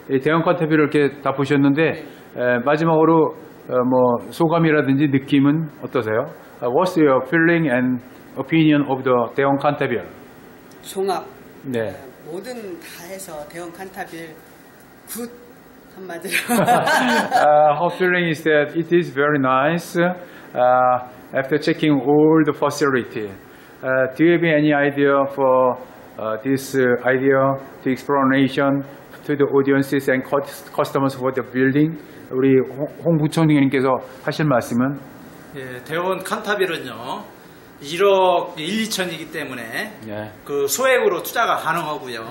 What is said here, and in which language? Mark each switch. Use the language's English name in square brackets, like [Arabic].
[Korean] 대형 칸타빌을 이렇게 다 보셨는데 마지막으로 뭐 소감이라든지 느낌은 어떠세요? [English] What's your feeling and opinion of the 대형 칸타빌? [Korean] 종합. 네. 모든 다 해서 대형 칸타빌 굿 한마디로. [English] How feeling is that? It is very nice. After checking all the facility, do you have any idea for this idea, the explanation, to the audiences and customers for the building. [Korean] 우리 홍 부총리님께서 하실 말씀은? 예, 대원 칸타빌은요 1억 1, 2천이기 때문에 예. 그 소액으로 투자가 가능하고요.